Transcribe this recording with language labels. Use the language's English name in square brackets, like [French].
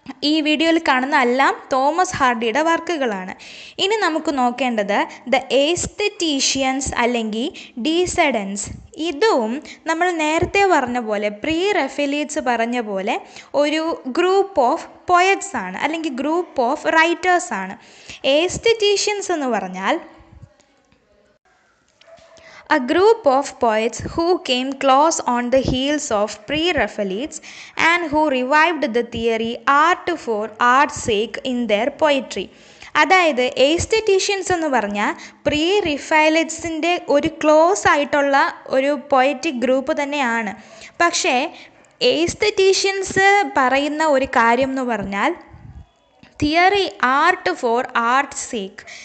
[Malayalam] ഈ വീഡിയോയിൽ കാണുന്ന എല്ലാം തോമസ് ഹാർഡിയുടെ വർക്കുകളാണ്. ഇനി നമുക്ക് നോക്കേണ്ടത് ദ എസ്തെറ്റീഷ്യൻസ് അല്ലെങ്കിൽ ഡീസെഡൻസ്. ഇതും നമ്മൾ നേരത്തെ പറഞ്ഞ പോലെ, പ്രീ റെഫലീറ്റ്സ് പറഞ്ഞ പോലെ ഒരു ഗ്രൂപ്പ് ഓഫ് പോയറ്റ്സ് ആണ് അല്ലെങ്കിൽ ഗ്രൂപ്പ് ഓഫ് റൈറ്റേഴ്സ് ആണ്. എസ്തെറ്റീഷ്യൻസ് എന്ന് പറഞ്ഞാൽ [English] A group of poets who came close on the heels of pre-Raphaelites and who revived the theory art for art's sake in their poetry. [Malayalam] അതായത് എസ്തെറ്റീഷ്യൻസ് എന്ന് പറഞ്ഞാൽ പ്രീ റിഫൈലിറ്റ്സിൻ്റെ ഒരു close ആയിട്ടുള്ള ഒരു പോയറ്റിക് ഗ്രൂപ്പ് തന്നെയാണ്. പക്ഷേ എസ്തെറ്റീഷ്യൻസ് പറയുന്ന ഒരു കാര്യം എന്ന് പറഞ്ഞാൽ [English] Theory art for art sake.